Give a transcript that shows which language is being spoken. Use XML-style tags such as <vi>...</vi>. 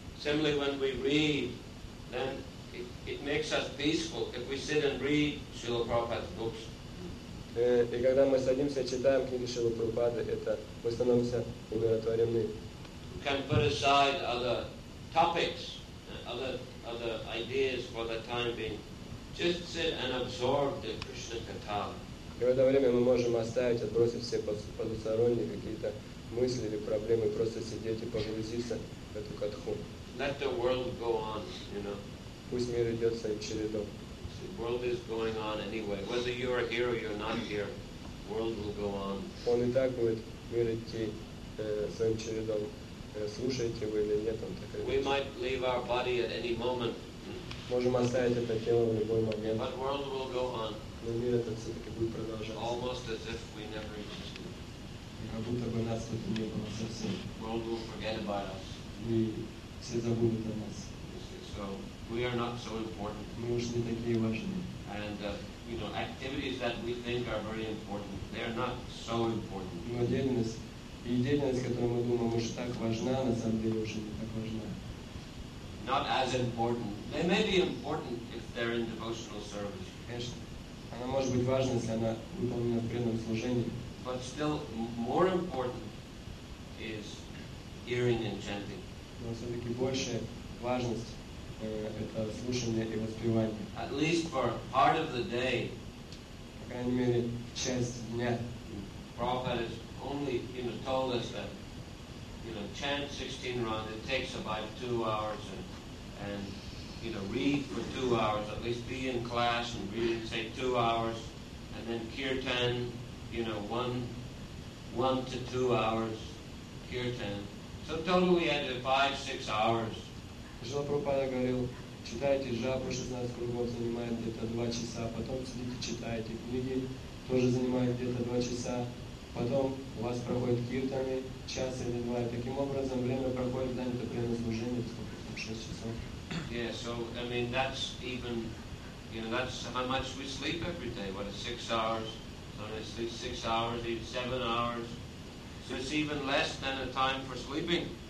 <en>Similarly, when we read, then it makes us peaceful if we sit and read Srila Prabhupada's books.</en> <ru>И когда мы садимся читаем книги Шрилы Прабхупады, это мы становимся умиротворенными.</ru> <en>can put aside other topics, other ideas for the time being. Just sit and absorb the Krishna Katha.</en> <ru>И в это время мы можем оставить, отбросить все посторонние какие-то мысли или проблемы, просто сидеть и погрузиться в эту катху.</ru> <en>Let the world go on, you know.</en> <ru>Пусть мир идет своим чередом.</ru> <en>The world is going on anyway. Whether you are here or you're not here, the world will go on.</en> <ru>Он и так будет мир идти своим чередом. Слушаете вы или нет, он так.</ru> <en>We might leave our body at any moment.</en> <ru>Можем оставить это тело в любой момент.</ru> <en>But the world will go on.</en> <ru>Но мир этот все-таки будет продолжаться.</ru> <en>Almost as if we never existed.</en> <ru>Как будто бы нас тут не было совсем.</ru> <en>The world will forget about us.</en> <ru>Мы все забудут о нас.</ru> <en>So we are not so important.</en> <ru>Мы уж не такие важные.</ru> <en>And you know, activities that we think are very important, they are not so important.</en> <ru>Но деятельность, которую мы думаем, уж так важна, на самом деле уже не так важна.</ru> <en>Not as important. They may be important if they're in devotional service.</en> <ru>Конечно. Она может быть важна, если она выполнена в преданном служении.</ru> <en>But still more important is hearing and chanting.</en> <ru>Но все-таки большая важность это слушание и воспевание.</ru> <en>At least for part of the day.</en> <ru>По крайней мере, часть дня.</ru> <en>Prabhupada has only, you know, told us that, you know, chant 16 rounds, it takes about 2 hours and you know, read for 2 hours, at least be in class and read, say, 2 hours, and then kirtan, you know, one to two hours, kirtan. So total we had 5-6 hours.</en> <ru>Шрила Прабхупада говорил, читайте жапу 16 кругов, занимает где-то 2 часа, потом сидите, читайте книги, тоже занимает где-то 2 часа, потом у вас проходит киртаны, час или два, и таким образом время проходит, занято это преднаслужение, сколько там, 6 часов.</ru> <en>Yeah, so I mean that's even, you know, that's how much we sleep every day. What is 6 hours? So I sleep 6 hours, even 7 hours. So it's even less than a time for sleeping.</en>